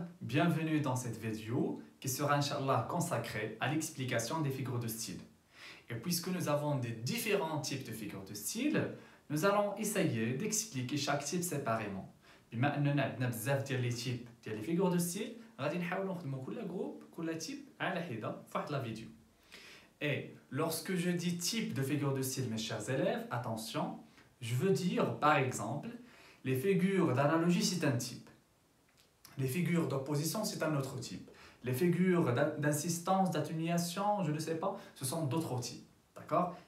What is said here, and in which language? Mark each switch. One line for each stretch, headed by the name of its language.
French: Bienvenue dans cette vidéo qui sera inchallah consacrée à l'explication des figures de style. Et puisque nous avons des différents types de figures de style, nous allons essayer d'expliquer chaque type séparément.
Arabic: بما اننا عندنا بزاف ديال لي تيب ديال لي فيغور دو ستيل غادي نحاولوا نخدموا كل جروب كل تيب على حده فواحد لا فيديو.
French: Et lorsque je dis type de figure de style, mes chers élèves, attention, je veux dire par exemple les figures d'analogie, c'est un type. Les figures d'opposition, c'est un autre type. Les figures d'insistance, d'atténuation, je ne sais pas, ce sont d'autres types. D'accord ?